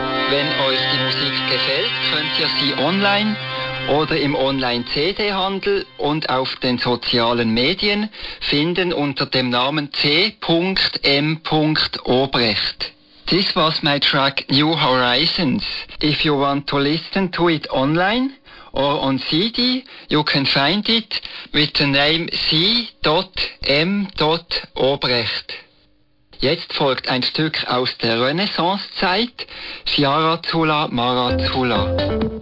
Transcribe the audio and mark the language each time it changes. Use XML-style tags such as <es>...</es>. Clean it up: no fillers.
<de>Wenn euch die Musik gefällt, könnt ihr sie online oder im Online-CD-Handel und auf den sozialen Medien finden unter dem Namen C.M.</de> <en>Obrecht. This was my track New Horizons. If you want to listen to it online or on CD, you can find it with the name C.M. Obrecht.</en> <de>Jetzt folgt ein Stück aus der Renaissance-Zeit, Fiarazzula Marazzula.</de>